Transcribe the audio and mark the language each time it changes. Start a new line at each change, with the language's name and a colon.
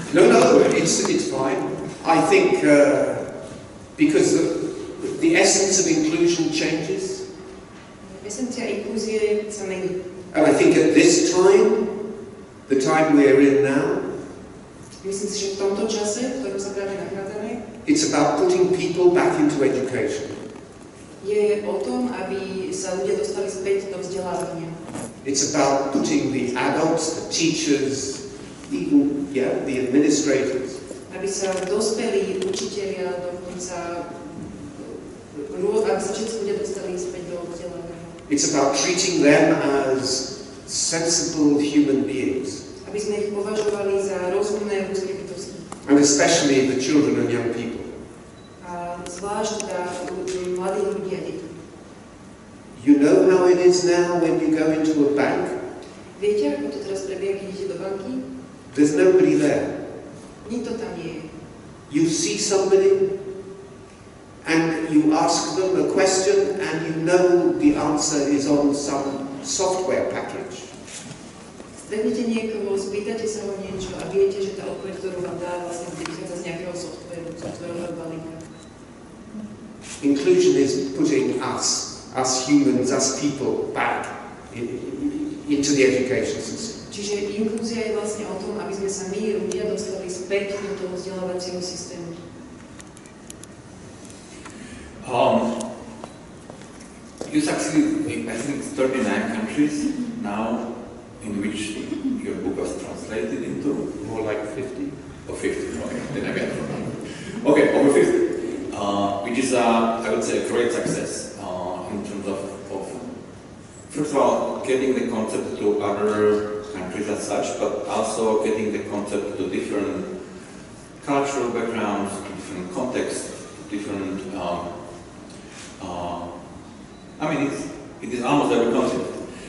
English: I think because the essence of inclusion changes.
Slovak: Esencia inklúzie sa mení.
English: And I think at this time, the time we are in now,
Slovak: myslím si, že v tomto čase, v ktorom sa práve nachádzame,
English: it's about putting people back into education.
Slovak: Je o tom, aby sa ľudia dostali späť do vzdelávania.
English: It's about putting the adults, the teachers, people, yeah, the administrators.
Slovak: Aby sa dospelí učitelia dokonca, aby sa všetci ľudia dostali späť do vzdelávania.
English: It's about treating them as sensible human beings.
Slovak: Aby sme ich považovali za rozumné ľudské bytosti.
English: And especially the children and young people.
Slovak: A zvlášť teda mladí ľudia, deti.
English: You know how it is now when you go into a bank?
Slovak: Viete, ako to teraz prebieha, keď idete do banky?
English: There's nobody there.
Slovak: Nikto tam nie je.
English: You see somebody and you ask them a question and you know the answer is on some software package.
Slovak: Stretnete niekoho, spýtate sa ho niečo a viete, že tá odpoveď, ktorú vám dá, vlastne vychádza z nejakého softwareového balíka.
English: Inclusion is putting us humans, us people, back into the education system.
Slovak: Čiže inklúzia je vlastne o tom, aby sme sa my, ľudia, dostali späť do toho vzdelávacieho systému.
English: You succeeded in, I think, 39 countries now in which your book was translated into? More like 50. Oh, 50, okay, then I get it. Okay, over 50, which is, I would say, a great success in terms of, first of all, getting the concept to other countries as such, but also getting the concept to different cultural backgrounds, to different contexts, to different, I mean, it is almost every concept.